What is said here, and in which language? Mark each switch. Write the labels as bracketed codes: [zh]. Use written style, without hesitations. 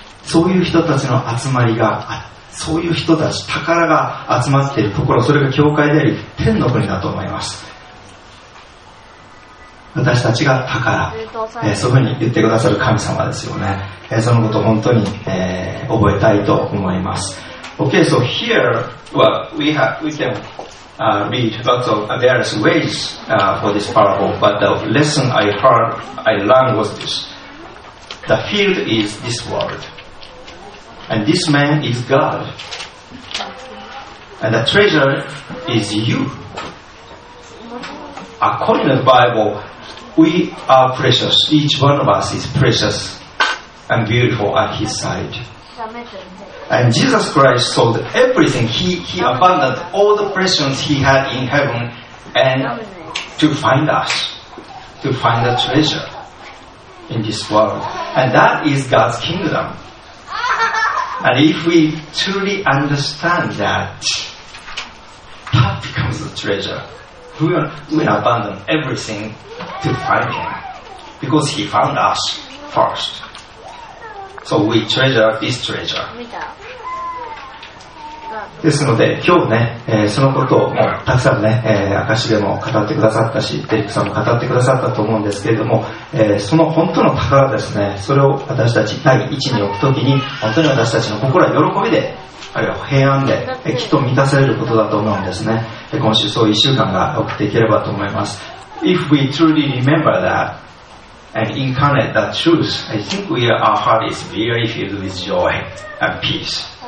[ja] そういう人たちの集まりがあって、そういう人たち宝が集まっているところ、それが教会であり天の国だと思います。私たちが宝、そういうふうに言ってくださる神様ですよね。そのことを本当に、覚えたいと思います。 [en] OK, so here we can read lots of various ways for this parable, but the lesson I learned was this: the field is this worldAnd this man is God. And the treasure is you. According to the Bible, we are precious. Each one of us is precious and beautiful at His side. And Jesus Christ sold everything. He abandoned all the possessions He had in heaven and to find us, to find the treasure in this world. And that is God's kingdom. And if we truly understand that becomes a treasure, we abandon everything to find Him, because He found us first. So we treasure this treasure. [ja] ですので、今日ね、そのことをもうたくさんね、証でも語ってくださったし、デリックさんも語ってくださったと思うんですけれども、その本当の宝ですね、それを私たち第一に置くときに、本当に私たちの心は喜びで、あるいは平安で、きっと満たされることだと思うんですね。今週そう一週間が送っていければと思います。 [en] If we truly remember that and incarnate that truth, I think our heart is really filled with joy and peace.